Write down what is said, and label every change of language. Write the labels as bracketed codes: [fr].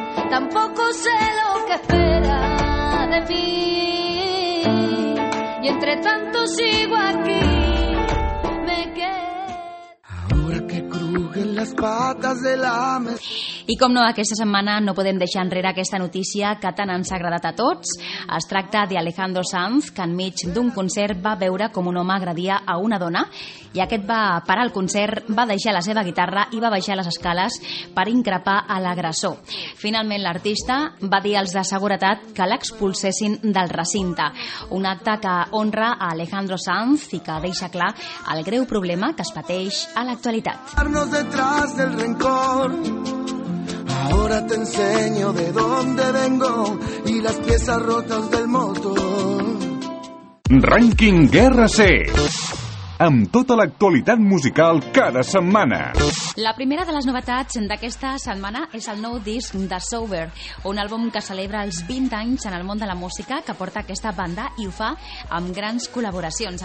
[es] Tampoco sé lo que espera de mí y entre tanto sigo aquí me quedo. Ahora que crujen las patas de la mesa. [ca] I com no, aquesta setmana no podem deixar enrere aquesta notícia que tant ens ha agradat a tots. Es tracta d'Alejandro Sanz, que enmig d'un concert va veure com un home agredia a una dona i aquest va parar el concert, va deixar la seva guitarra i va baixar les escales per increpar a l'agressor. Finalment, l'artista va dir als de seguretat que l'expulsessin del recinte. Un acte que honra a Alejandro Sanz i que deixa clar el greu problema que es pateix a l'actualitat. [es] Arnos detrás del rencor. Ahora te enseño de dónde vengo y las piezas rotas del motor. Ranking Guerra C. [ca] Amb tota l'actualitat musical cada setmana. La primera de les novetats d'aquesta setmana és el nou disc de Sober, un àlbum que celebra els 20 anys en el món de la música que porta aquesta banda i ho fa amb grans col·laboracions.